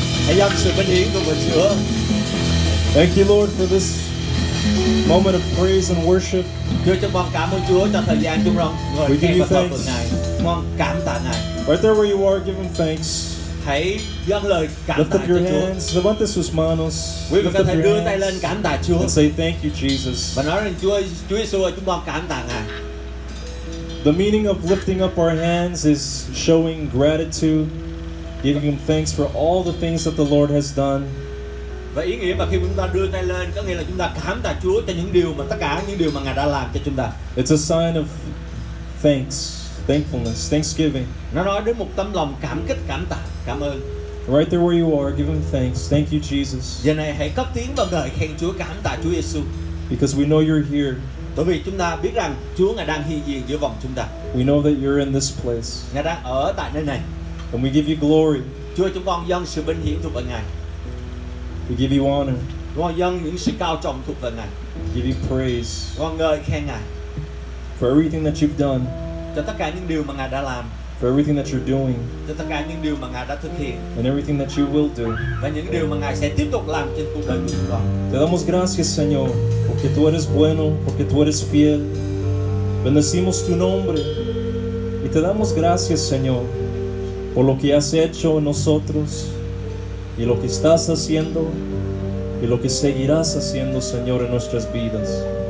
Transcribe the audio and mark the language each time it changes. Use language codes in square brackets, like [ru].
[vi] Hãy dâng sự vinh hiển của Chúa. [en] Thank you, Lord, for this moment of praise and worship. [vi] Chúa cho con cảm ơn Chúa cho thời gian chúng con ngồi nghe bài thánh này. Con cảm tạ Ngài. [en] Right there where you are, give him thanks. [vi] Hãy dâng lời cảm [en] lift up your [vi] cho [en] hands. [vi] Chúa. [es] Levante sus manos. [vi] Quý vị có thể đưa tay lên cảm tạ Chúa. [en] And say thank you, Jesus. [vi] Và nói rằng Chúa Giêsu ơi, chúng con cảm tạ Ngài. [en] The meaning of lifting up our hands is showing gratitude, giving him thanks for all the things that the Lord has done. [vi] Và ý nghĩa mà khi chúng ta đưa tay lên có nghĩa là chúng ta cảm tạ Chúa cho những điều mà tất cả những điều mà Ngài đã làm cho chúng ta. [en] It's a sign of thanks. Thankfulness, thanksgiving. [vi] Nó nói đến một tâm lòng cảm kích, cảm tạ, cảm ơn. [en] Right there where you are, give him thanks. Thank you, Jesus. [vi] Giờ này hãy cất tiếng và ngợi khen Chúa, cảm tạ Chúa Giêsu. [en] Because we know you're here. [vi] Bởi vì chúng ta biết rằng Chúa Ngài đang hiện diện giữa vòng chúng ta. [en] We know that you're in this place. [vi] Ngài đang ở tại nơi này. [en] And we give you glory. [vi] Chúa, chúng con dâng sự vinh hiển thuộc về Ngài. [en] We give you honor. Giving praise for everything that you've done, [vi] cho tất cả những điều mà Ngài đã làm, [en] for everything that you're doing, [vi] cho tất cả những điều mà Ngài đã thực hiện, [en] and everything that you will do, [vi] và những điều mà Ngài sẽ tiếp tục làm trên cuộc đời của con. [es] Te damos gracias, Señor, porque tú eres bueno, porque tú eres fiel. Bendecimos tu nombre y te damos gracias, Señor, por lo que has hecho en nosotros y lo que estás haciendo y lo que seguirás haciendo, Señor, en nuestras vidas.